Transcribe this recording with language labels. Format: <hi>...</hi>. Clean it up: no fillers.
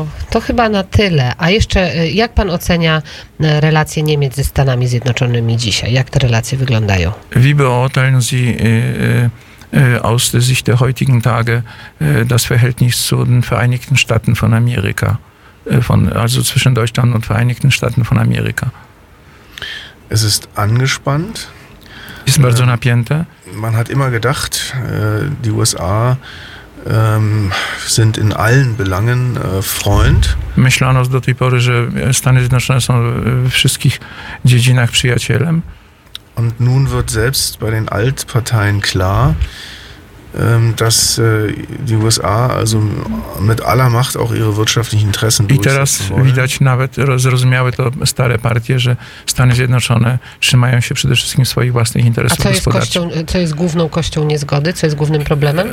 <pl>To chyba na tyle. A jeszcze, jak pan ocenia relacje Niemiec ze Stanami Zjednoczonymi dzisiaj? Jak te relacje wyglądają?</pl> <de>Wie beurteilen Sie aus der Sicht der heutigen Tage das Verhältnis zu den Vereinigten Staaten von Amerika, also zwischen Deutschland und Vereinigten Staaten von Amerika? Es ist angespannt.</de> <pl>Ist bardzo napięte.</pl> <de>Man hat immer gedacht, die USA sind in allen Belangen Freund.</de> <pl>Myślano do tej pory, że Stany Zjednoczone są w wszystkich dziedzinach przyjacielem.</pl> <de>Und nun wird selbst bei den Altparteien klar, dass die USA also mit aller Macht auch ihre wirtschaftlichen Interessen durchsetzen wollen.</de> <pl>I teraz widać, nawet zrozumiały to stare partie, że Stany Zjednoczone trzymają się przede wszystkim swoich własnych interesów gospodarczych. A co jest główną kością niezgody? Co jest głównym problemem?</pl>